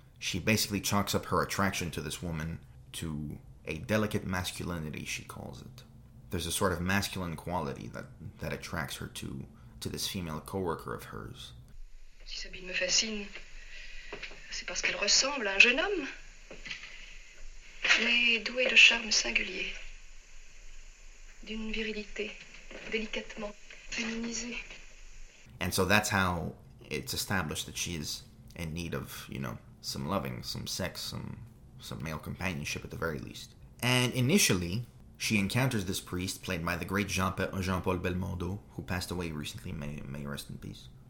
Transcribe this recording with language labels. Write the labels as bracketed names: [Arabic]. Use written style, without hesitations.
[English] She basically chalks up her attraction to this woman to a delicate masculinity, she calls it. There's a sort of masculine quality that attracts her to this female coworker of hers. [French] Si Sabine me fascine, c'est parce qu'elle ressemble à un jeune homme, mais douée de charme singulier, d'une virilité délicatement féminisée. [English] And so that's how it's established that she is in need of, you know, some loving, some sex, some male companionship at the very least. And initially, she encounters this priest, played by the great Jean-Paul Belmondo, who passed away recently, may he rest in peace.